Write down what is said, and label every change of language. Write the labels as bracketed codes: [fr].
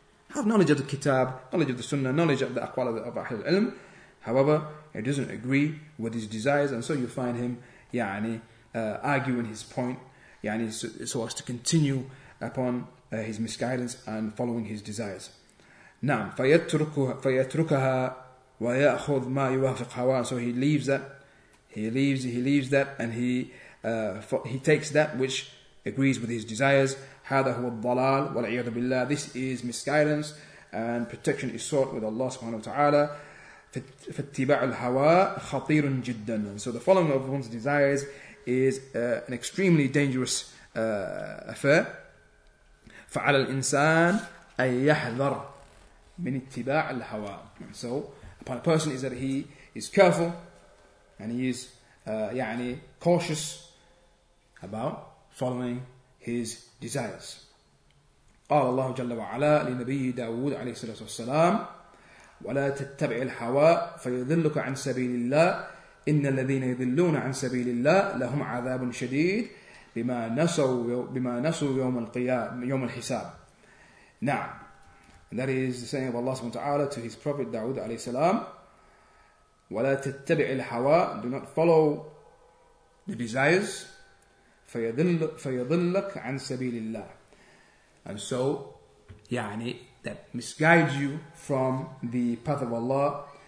[en] Have knowledge of the Kitab, knowledge of the Sunnah, knowledge of the Aqwal of Ahlul Ilm. However, it doesn't agree with his desires. And so you find him arguing his point, so as to continue upon his misguidance and following his desires. [ar] نعم فيتركها ويأخذ ما يوافق هواه. [en] So he leaves that, he takes that which agrees with his desires. [ar] هذا هو الضلال والعياذ بالله. [en] This is misguidance, and protection is sought with Allah [ar] سبحانه وتعالى. فاتباع الهوى خطير جدا. [en] So the following of one's desires is an extremely dangerous affair. [ar] فعلى الإنسان أن يحذر من اتباع الهوى. [en] So upon a person is that he is careful and he is cautious about following his desires. [ar] قال الله جل وعلا لنبي داود عليه الصلاة والسلام ولا تتبع الهوى فيضلك عن سبيل الله إن الذين يضلون عن سبيل الله لهم عذاب شديد بما نسوا يوم القيامة يوم الحساب. نعم. [en] That is the saying of Allah subhanahu wa ta'ala to his prophet Dawood alayhi salam. [ar] وَلَا تَتَّبِعِ الْحَوَىٰ. [en] Do not follow the desires. [ar] فَيَضِلَّكَ عَنْ سَبِيلِ اللَّهِ. [en] And so, that misguides you from the path of Allah.